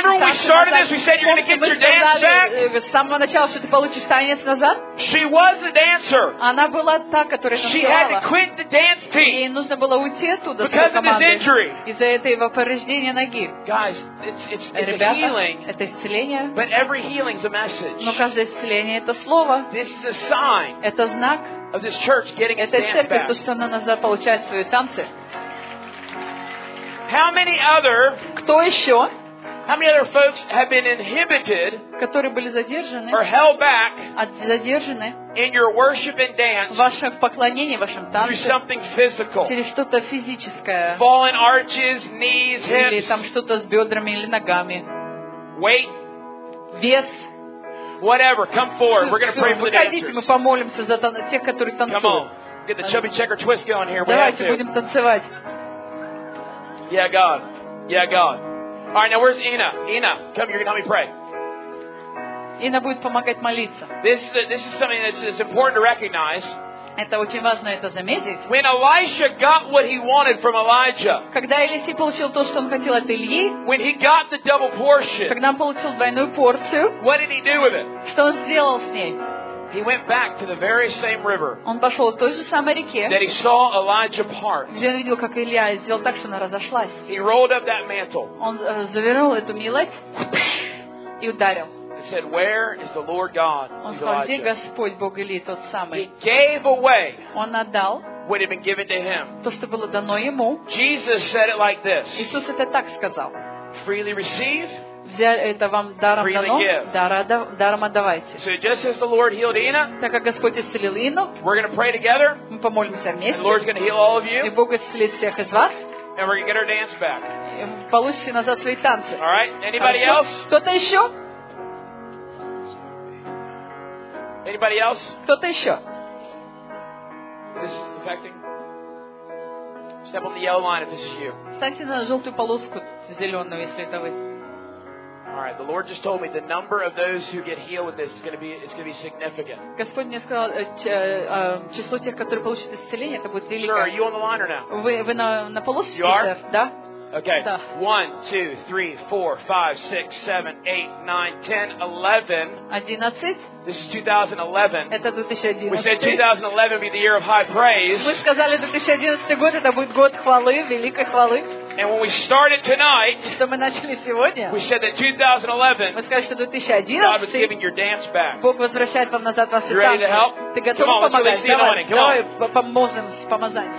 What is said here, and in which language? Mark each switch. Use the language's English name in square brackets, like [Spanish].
[English] Remember when we started this, we said you're going to get your dance back? [Russian] С самого начала, что ты получишь танец назад? [English] She was a dancer. [Russian] Она была та, которая танцевала. [English] She had to quit the dance team. [Russian] Ей нужно было уйти оттуда. [English] Because of his injury. [Russian] Из-за этого повреждения ноги. [English] Guys, it's healing. [Russian] Это исцеление. [English] But every healing is a message. [Russian] Но каждое исцеление это слово. [English] This is a sign. [Russian] Это знак. [English] Of this church getting its dance back. [Russian] Это церковь, то, что она назад получает свои танцы. [English] How many other? [Russian] Кто еще? [English] How many other folks have been inhibited? [Russian] Которые были задержаны? [English] Or held back? [Russian] Задержаны? [English] In your worship and dance? [Russian] В вашем поклонении, в вашем танце? [English] Through something physical? [Russian] Через что-то физическое? [English] Fallen arches, knees, hips? [Russian] Или там что-то с бедрами или ногами? [English] Weight? [Russian] Вес? [English] Whatever, come forward. We're going to pray for the dancers. [Russian] Выходите, мы помолимся за тех, которые танцуют. [English] Come on, get the chubby checker twist going here. [Russian] Давайте будем танцевать. [English] Yeah, God. Yeah, God. All right, now where's Ina? Ina, come. You're gonna help me pray. [Russian] Ina будет помогать молиться. [English] This is something that's important to recognize. [Russian] Это очень важно это заметить. [English] When Elisha got what he wanted from Elijah. [Russian] Когда Елисей получил то, что он хотел от Ильи. [English] When he got the double portion. [Russian] Когда он получил двойную порцию. [English] What did he do with it? [Russian] Что он сделал с ней? [English] He went back to the very same river. [Russian] Он пошел к той же самой реке. [English] That he saw Elijah part. [Russian] Где он видел, как Илья сделал так, что она разошлась. [English] He rolled up that mantle. [Russian] Он завернул эту милость и ударил. [English] He said, "Where is the Lord God?" [Russian] Он сказал, где Господь Бог Ильи тот самый. [English] He gave away. [Russian] Он отдал. [English] What had been given to him. [Russian] То, что было дано ему. [English] Jesus said it like this. [Russian] Иисус это так сказал. [English] Freely receive. [Russian] Это вам даром дано, даром отдавайте. [English] So just as the Lord healed Ina, [Russian] так как Господь исцелил Ину, [English] we're going to pray together, [Russian] мы помолимся вместе, [English] and the Lord's going to heal all of you, [Russian] и Бог исцелит всех из вас, [English] and we're going to get our dance back. [Russian] И мы получим назад свои танцы. [English] All right, anybody else? [Russian] Кто-то еще? [English] Anybody else? [Russian] Кто-то еще? [English] This is affecting. Step on the yellow line if this is you. [Russian] Встаньте на желтую полоску зеленую, если это вы. [English] All right. The Lord just told me the number of those who get healed with this is going to be significant. [Russian] Господь мне сказал число тех, которые получат исцеление, это будет велико. [English] Sir, are you on the line or now? [Russian] Вы на полосе? [English] You are. [Russian] Да. [English] Okay. 1, 2, 3, 4, 5, 6, 7, 8, 9, 10, 11. 11. This is 2011. [Russian] Это 2011. [English] We said 2011 be the year of high praise. [Russian] Мы сказали 2011 год это будет год хвалы, великой хвалы. [English] And when we started tonight, [Russian] что мы начали сегодня, [English] we said that 2011, [Russian] мы сказали, что 2011, [English] God was giving your dance back. [Russian] Бог возвращает вам назад ваши танцы. [English] You ready to help? [Russian] Ты готов [English] Come on, [Russian] помогать? [English] Let's see [Russian] давай, давай поможем с помазанием.